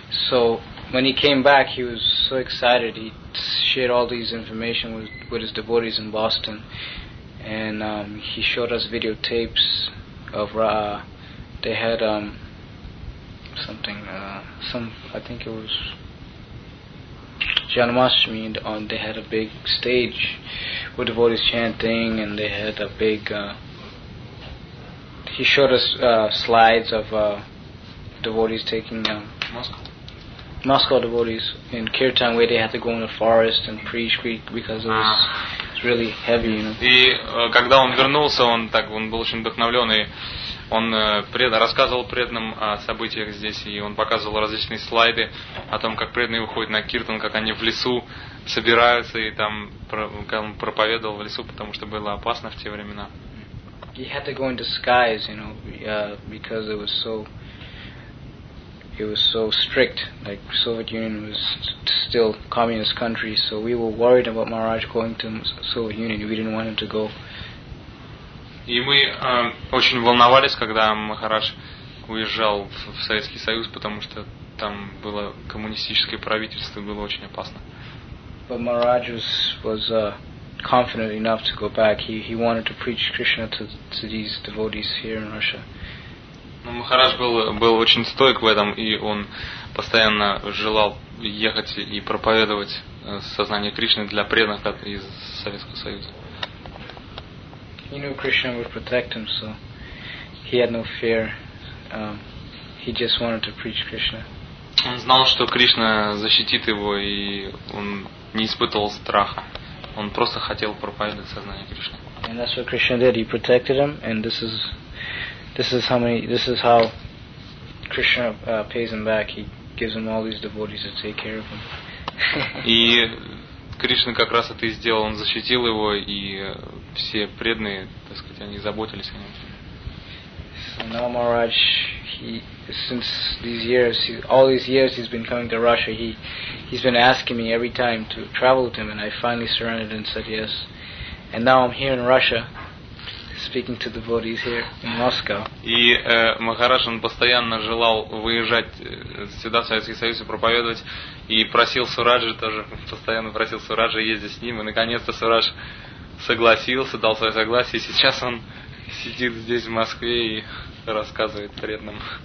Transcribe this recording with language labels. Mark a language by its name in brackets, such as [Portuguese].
[English] So when he came back, he was so excited. He shared all these information with his devotees in Boston, and he showed us videotapes of they had I think it was Janmashtami, and they had a big stage with devotees chanting, and they had a big. He showed us slides of devotees taking Moscow devotees in kirtan, where they had to go in the forest and preach because it was really heavy, you know. [Russian] И когда он вернулся, он был очень вдохновлен, и он рассказывал преданным о событиях здесь, и он показывал различные слайды о том, как преданные выходят на киртан, как они в лесу собираются, и там проповедовал в лесу, потому что было опасно в те времена. [English] He had to go in disguise, you know, because it was so strict. Like Soviet Union was still communist country, so we were worried about Maharaj going to Soviet Union. We didn't want him to go. [Russian] И мы очень волновались, когда Махарадж уезжал в Советский Союз, потому что там было коммунистическое правительство, было очень опасно. [English] But Maharaj was confident enough to go back. He wanted to preach Krishna to these devotees here in Russia. [Russian] Но Махарадж был очень стойк в этом, и он постоянно желал ехать и проповедовать сознание Кришны для преданных из Советского Союза. [English] He knew Krishna would protect him, so he had no fear. He just wanted to preach Krishna. [Russian] Он знал, что Кришна защитит его, и он не испытывал страха. Он просто хотел проповедовать сознание Кришны. [English] And that's what Krishna did. He protected him, and this is how Krishna pays him back. He gives him all these devotees to take care of him. [Russian] И Кришна как раз это и сделал. Он защитил его, и все преданные, так сказать, они заботились о нем. [English] So now Maharaj, since all these years he's been coming to Russia, he's been asking me every time to travel with him, and I finally surrendered and said yes. And now I'm here in Russia, speaking to devotees here in Moscow. [Russian] И Махарадж, он постоянно желал выезжать сюда, в Советский Союз, и проповедовать, и просил Сураджа тоже, постоянно просил Сураджа ездить с ним, и наконец-то Сурадж согласился, дал свое согласие, и сейчас он сидит здесь в Москве и рассказывает преданным.